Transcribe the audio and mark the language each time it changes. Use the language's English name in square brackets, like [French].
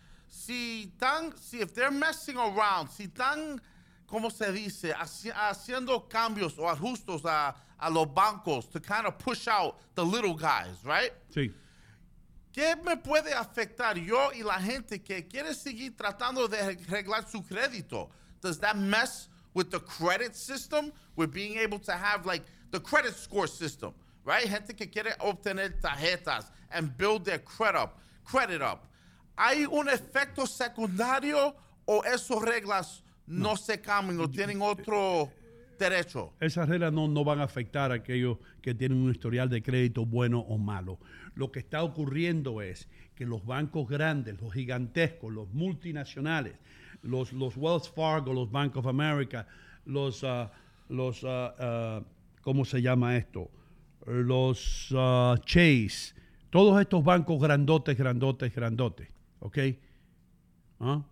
[Spanish] Si [English] if they're messing around, [Spanish] si están, ¿cómo se dice? Haciendo cambios o ajustes a los bancos [English] to kind of push out the little guys, right? [Spanish] Sí. ¿Qué me puede afectar yo y la gente que quiere seguir tratando de arreglar su crédito? [English] Does that mess with the credit system? With being able to have, like, the credit score system, right? [Spanish] Gente que quiere obtener tarjetas [English] and build their credit up. [Spanish] ¿Hay un efecto secundario o esas reglas no se cambian o tienen otro derecho? Esas reglas no van a afectar a aquellos que tienen un historial de crédito bueno o malo. Lo que está ocurriendo es que los bancos grandes, los gigantescos, los multinacionales, los Wells Fargo, los Bank of America, los Chase, todos estos bancos grandotes, ¿ok? ¿Ah?